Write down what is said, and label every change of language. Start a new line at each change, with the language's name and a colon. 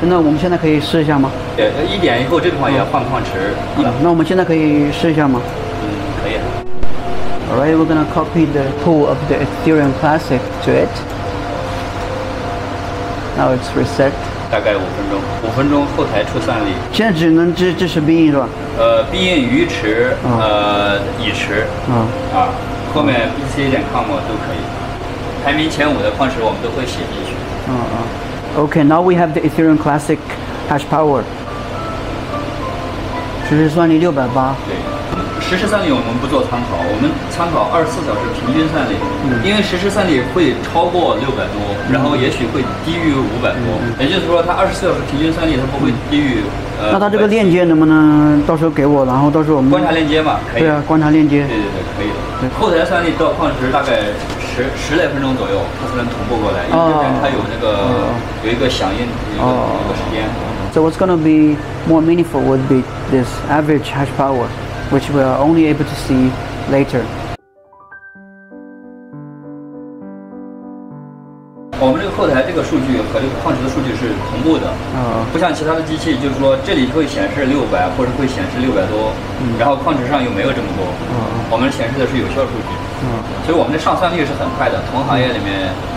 Chinese: 那我们现在可以试一下吗？一点以后这块也要换矿池。那我们现在可以试一下吗？可以。
English: All right, we're gonna copy the pool of the Ethereum Classic to it. Now it's reset.
Chinese: 大概五分钟后台出算力。现在只能支持 B 印是吧？ B 印鱼池，乙池。后面 BC 点 COM 都可以，排名前五的矿池我们都会写进去。
English: Okay, now we have the Ethereum Classic hash power.
Chinese: 实时算力680。对，实时算力我们不做参考，我们参考24小时平均算力，因为实时算力会超过600多，然后也许会低于500多，也就是说它24小时平均算力它不会低于。那它这个链接能不能到时候给我？然后到时候我们观察链接嘛，可以。对啊，观察链接。对，可以的。后台算力到矿池大概十来分钟左右，它才能同步过来，因为它有那个有一个响应一个时间。
English: So what's going to be more meaningful would be this average hash power, which we are only able to see later.
Chinese: 我们这个后台这个数据和这个矿池的数据是同步的，不像其他的机器，就是说这里会显示600或者会显示600多，然后矿池上又没有这么多，我们显示的是有效数据，所以我们的上算率是很快的，同行业里面。